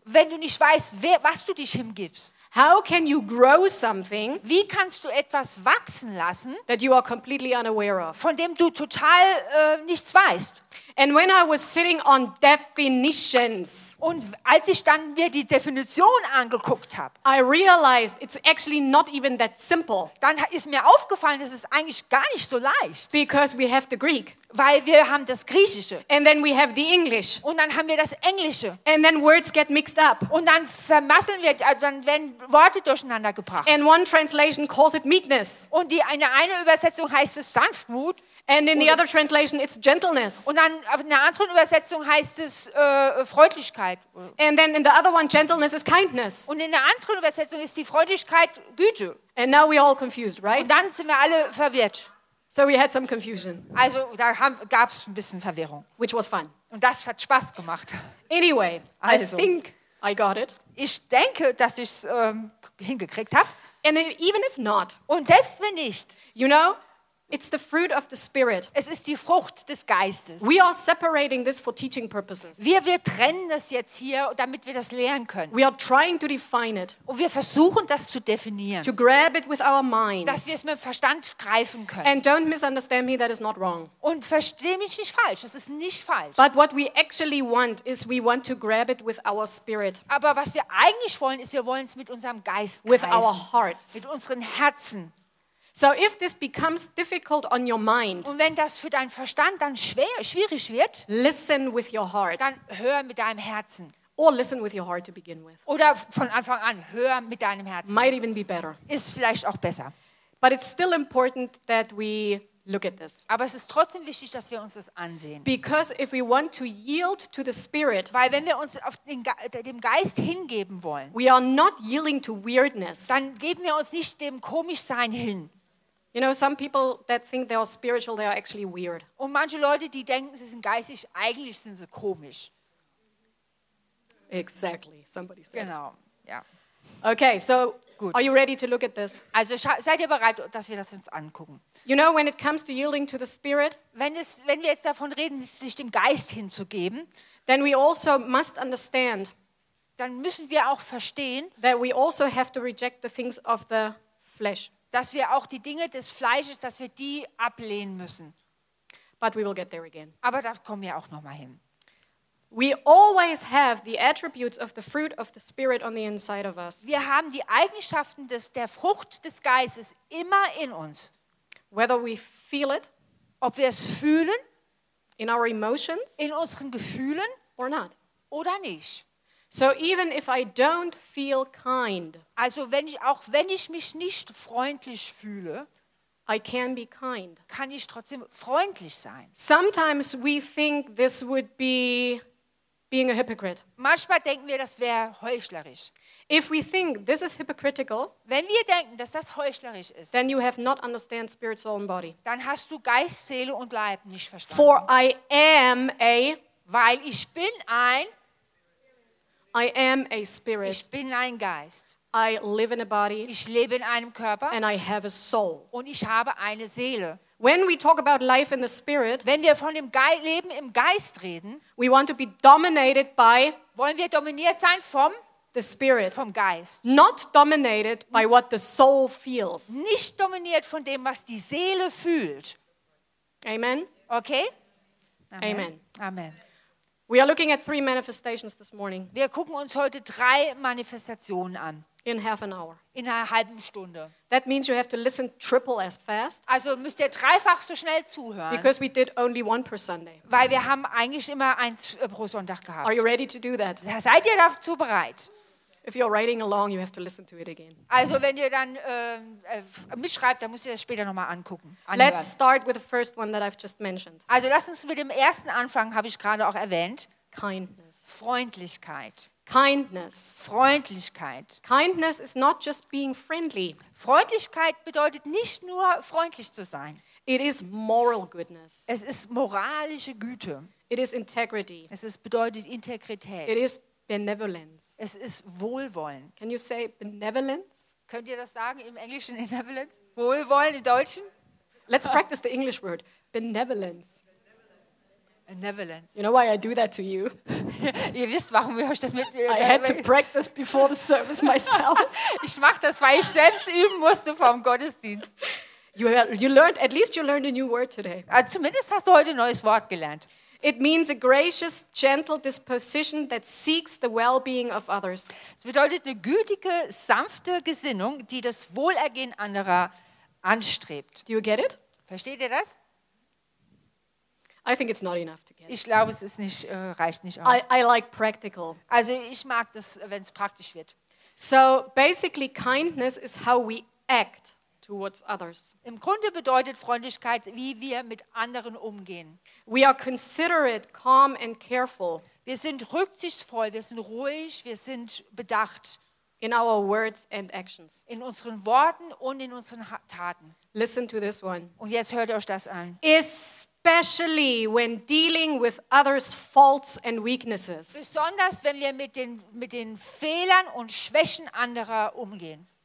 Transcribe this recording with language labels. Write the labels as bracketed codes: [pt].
[de] Wenn du nicht weißt, was du dich hingibst. [en] How can you grow something? [de] Wie kannst du etwas wachsen lassen? [en] That you are completely unaware of. [de] Von dem du total nichts weißt. [en] And when I was sitting on definitions. [de] Und als ich dann mir die Definition angeguckt habe. [en] I realized it's actually not even that simple. [de] Dann ist mir aufgefallen, es ist eigentlich gar nicht so leicht. [en] Because we have the Greek. [de] Weil wir haben das Griechische. [en] And then we have the English. [de] Und dann haben wir das Englische. [en] And then words get mixed up. [de] Und dann vermasseln wir, also dann werden Worte durcheinander gebracht. [en] And one translation calls it meekness. [de] Und eine Übersetzung heißt es Sanftmut. [en] And in the other translation it's gentleness. [de] Und dann auf einer anderen Übersetzung heißt es Freundlichkeit. [en] And then in the other one gentleness is kindness. [de] Und in der anderen Übersetzung ist die Freundlichkeit Güte. [en] And now we're all confused, right? [de] Und dann sind wir alle verwirrt. [en] So we had some confusion. [de] Also da gab es ein bisschen Verwirrung. [en] Which was fun. [de] Und das hat Spaß gemacht. [en] Anyway, [de] also, [en] I think I got it. [de] Ich denke, dass ich es hingekriegt habe. [en] And even if not. [de] Und selbst wenn nicht. [en] You know? It's the fruit of the Spirit. [de] Es ist die Frucht des Geistes. [en] We are separating this for teaching purposes. [de] Wir trennen das jetzt hier, damit wir das lernen können. [en] We are trying to define it. [de] Und wir versuchen das zu definieren. [en] To grab it with our minds. [de] Dass wir es mit Verstand greifen können. [en] And don't misunderstand me, that is not wrong. [de] Und verstehe mich nicht falsch, das ist nicht falsch. [en] But what we actually want is we want to grab it with our spirit. [de] Aber was wir eigentlich wollen, ist wir wollen es mit unserem Geist greifen. [en] With our hearts. [de] Mit unseren Herzen. [en] So if this becomes difficult on your mind, [de] und wenn das für deinen Verstand dann schwierig wird, [en] listen with your heart. [de] Dann hör mit deinem Herzen. [en] Or listen with your heart to begin with. [de] Oder von Anfang an hör mit deinem Herzen. [en] Might even be better. [de] Ist vielleicht auch besser. [en] But it's still important that we look at this. [de] Aber es ist trotzdem wichtig, dass wir uns das ansehen. [en] Because if we want to yield to the Spirit, [de] weil wenn wir uns auf dem Geist hingeben wollen, [en] we are not yielding to weirdness. [de] Dann geben wir uns nicht dem Komischsein hin. [en] You know, some people that think they are spiritual, they are actually weird. [de] Und manche Leute, die denken, sie sind geistig, eigentlich sind sie komisch. [en] Exactly, somebody said. [de] Genau, ja. [en] Okay, so good. Are you ready to look at this? [de] Also seid ihr bereit, dass wir das jetzt angucken? [en] You know, when it comes to yielding to the Spirit, [de] wenn wir jetzt davon reden, sich dem Geist hinzugeben, [en] then we also must understand, [de] dann müssen wir auch verstehen, [en] that we also have to reject the things of the flesh. [de] Dass wir auch die Dinge des Fleisches, dass wir die ablehnen müssen. [en] But we will get there again. [de] Aber da kommen wir auch noch mal hin. [en] We always have the attributes of the fruit of the Spirit on the inside of us. [de] Wir haben die Eigenschaften der Frucht des Geistes immer in uns. [en] Whether we feel it, [de] ob wir es fühlen, [en] in our emotions, [de] in unseren Gefühlen, [en] or not, [de] oder nicht. [en] So even if I don't feel kind, [de] also wenn ich mich nicht freundlich fühle, [en] I can be kind. [de] Kann ich trotzdem freundlich sein. [en] Sometimes we think this would be being a hypocrite. [de] Manchmal denken wir, das wäre heuchlerisch. [en] If we think this is hypocritical, [de] wenn wir denken, dass das heuchlerisch ist, [en] then you have not understand spirit, soul and body. [de] Dann hast du Geist, Seele und Leib nicht verstanden. [en] For I am a, [de] weil ich bin ein, [en] I am a spirit. [de] Ich bin ein Geist. [en] I live in a body. [de] Ich lebe in einem Körper. [en] And I have a soul. [de] Und ich habe eine Seele. [en] When we talk about life in the spirit, [de] wenn wir von dem Leben im Geist reden, [en] we want to be dominated by, [de] wollen wir dominiert sein vom, [en] the spirit, [de] vom Geist. [en] Not dominated by what the soul feels. [de] Nicht dominiert von dem, was die Seele fühlt. [en] Amen. Okay? Amen. Amen. Amen. We are looking at three manifestations this morning. [de] Wir gucken uns heute drei Manifestationen an. [en] In half an hour. [de] In einer halben Stunde. [en] That means you have to listen triple as fast. [de] Also müsst ihr dreifach so schnell zuhören. [en] Because we did only one per Sunday. [de] Weil wir haben eigentlich immer eins pro Sonntag gehabt. [en] Are you ready to do that? [de] Seid ihr dazu bereit? [en] If you're writing along, you have to listen to it again. [de] Also wenn ihr dann mitschreibt, dann müsst ihr das später nochmal angucken. Anhören. [en] Let's start with the first one that I've just mentioned. [de] Also lass uns mit dem ersten anfangen, habe ich gerade auch erwähnt. [en] Kindness. [de] Freundlichkeit. [en] Kindness. [de] Freundlichkeit. [en] Kindness is not just being friendly. [de] Freundlichkeit bedeutet nicht nur freundlich zu sein. [en] It is moral goodness. [de] Es ist moralische Güte. [en] It is integrity. [de] Es ist, bedeutet Integrität. [en] It is benevolence. [de] Es ist Wohlwollen. [en] Can you say benevolence? [de] Könnt ihr das sagen im Englischen, benevolence? Wohlwollen im Deutschen? [en] Let's practice the English word. Benevolence. Benevolence. You know why I do that to you? [de] Ihr wisst, warum ich euch das mit... [en] I had to practice before the service myself. [de] Ich mach das, weil ich selbst üben musste vor dem Gottesdienst. [en] At least you learned a new word today. [de] Zumindest hast du heute ein neues Wort gelernt. [en] It means a gracious, gentle disposition that seeks the well-being of others. [de] Es bedeutet eine gütige, sanfte Gesinnung, die das Wohlergehen anderer anstrebt. [en] Do you get it? [de] Versteht ihr das? [en] I think it's not enough to get. [de] Ich glaube, es ist nicht, reicht nicht aus. [en] I like practical. [de] Also ich mag das, wenn es praktisch wird. [en] So basically, kindness is how we act towards others. [de] Im Grunde bedeutet Freundlichkeit, wie wir mit anderen umgehen. [en] We are considerate, calm and careful. [de] Wir sind rücksichtsvoll, wir sind ruhig, wir sind bedacht. [en] In our words and actions. [de] In unseren Worten und in unseren Taten. [en] Listen to this one. [de] Und jetzt hört euch das an. [en] Especially when dealing with others' faults and weaknesses. [de] Besonders wenn wir mit den Fehlern und Schwächen anderer umgehen.